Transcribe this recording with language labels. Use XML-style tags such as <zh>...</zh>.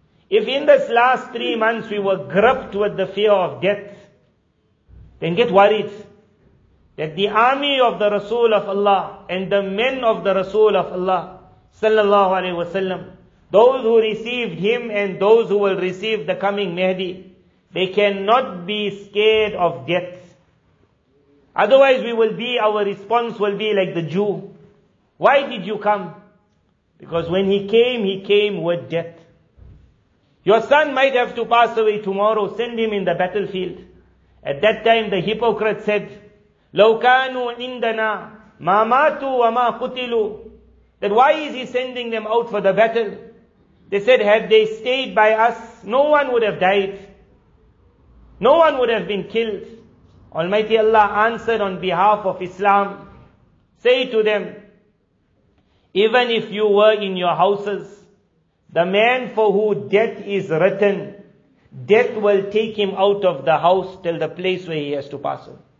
<en>If in this last 3 months we were gripped with the fear of death, then get worried that the army of the Rasul of Allah and the men of the Rasul of Allah, sallallahu alaihi wasallam, those who received him and those who will receive the coming Mahdi, they cannot be scared of death. Otherwise we will be, our response will be like the Jew. Why did you come? Because when he came with death. Your son might have to pass away tomorrow, send him in the battlefield. At that time the hypocrite said,</en> <ar>لَوْ كَانُوا عِنْدَنَا مَا مَاتُوا وَمَا قُتِلُوا.</ar> <en>That why is he sending them out for the battle? They said, had they stayed by us, no one would have died. No one would have been killed. Almighty Allah answered on behalf of Islam, say to them, even if you were in your houses, the man for whom death is written, death will take him out of the house till the place where he has to pass on.</en>